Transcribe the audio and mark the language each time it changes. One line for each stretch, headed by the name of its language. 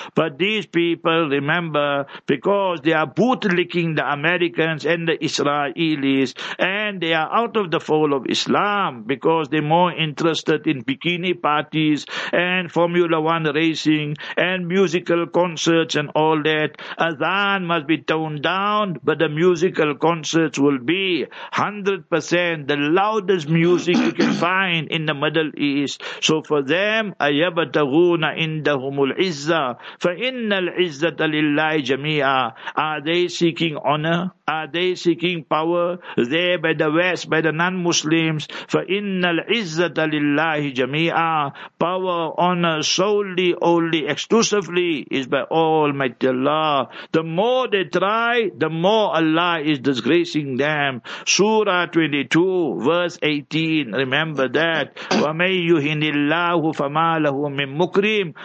English: But these people, remember, because they are bootlicking the Americans and the Israelis, and they are out of the fold of Islam because they're more interested in bikini parties and Formula One racing and musical concerts and all that. Adhan must be toned down, but the musical concerts will be 100% the loudest music you can find in the Middle East. So for them,
Arabic: أَيَبَتَغُونَ عِنْدَهُمُ الْعِزَّةِ فَإِنَّ الْعِزَّةَ لِلَّهِ جَمِيعًا.
English: Are they seeking honor? Are they seeking power there by the West, by the non-Muslims? For
Arabic: إِنَّ الْعِزَّةَ لِلَّهِ جَمِيعًا.
English: Power, honor, solely, only, exclusively is by Almighty Allah. The more they try, the more Allah is disgracing them. Surah 22, verse 18, remember that.
Arabic: وَمَنْ يُهِنِ اللَّهُ فَمَا لَهُ مِنْ مُكْرِيمٍ.